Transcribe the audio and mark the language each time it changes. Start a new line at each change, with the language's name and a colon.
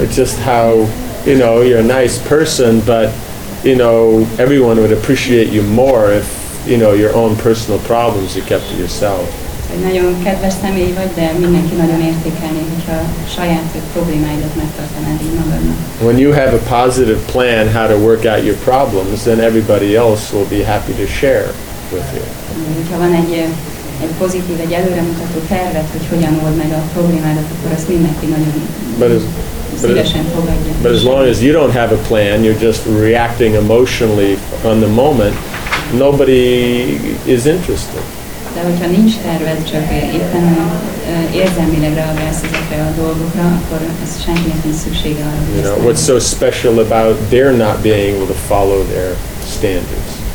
English: It's just how, you know, you're a nice person, but, you know, everyone would appreciate you more if, you know, your own personal problems you kept to yourself.
Hungarian: Nagyon kedves személy vagy, de mindenki nagyon értékelné, hogyha saját problémáidat megtartanád így magadnak.
English: When you have a positive plan how to work out your problems, then everybody else will be happy to share with you.
Hungarian: Hogyha van egy pozitív, egy előremutató tervet, hogy hogyan old meg a problémádat, akkor azt mindenki nagyon szívesen fogadja.
English: But as long as you don't have a plan, you're just reacting emotionally on the moment, nobody is interested.
Hungarian: De hogyha nincs terved, csak éppen érzelmileg reagálsz ezekre a dolgokra, akkor ez senkinek nincs szüksége arra.
English: You know, what's so special about their not being able to follow their standards?